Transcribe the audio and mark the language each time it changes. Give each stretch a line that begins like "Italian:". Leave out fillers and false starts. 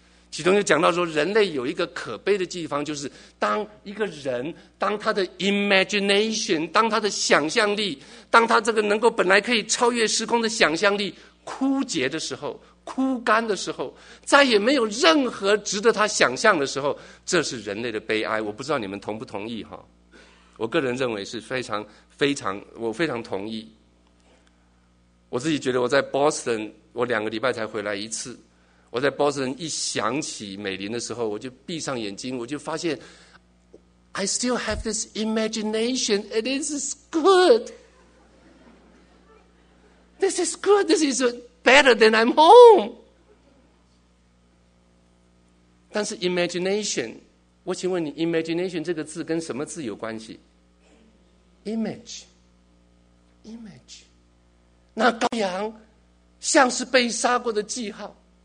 Chinese: 其中就讲到说，人类有一个可悲的地方，就是当一个人，当他的 imagination， 当他的想象力，当他这个能够本来可以超越时空的想象力枯竭的时候，枯干的时候，再也没有任何值得他想象的时候，这是人类的悲哀。我不知道你们同不同意哈，我个人认为是非常非常，我非常同意。我自己觉得我在 Boston， 我2个礼拜才回来一次，我在 Boston 一想起美林的时候，我就闭上眼睛，我就发现
English: I still have this imagination and this is good， this is good， this is aBetter than I'm home。
Chinese: 但是 imagination， 我请问你， imagination 这个字跟什么字有关系？ image， image， 那羔羊像是被杀过的记号。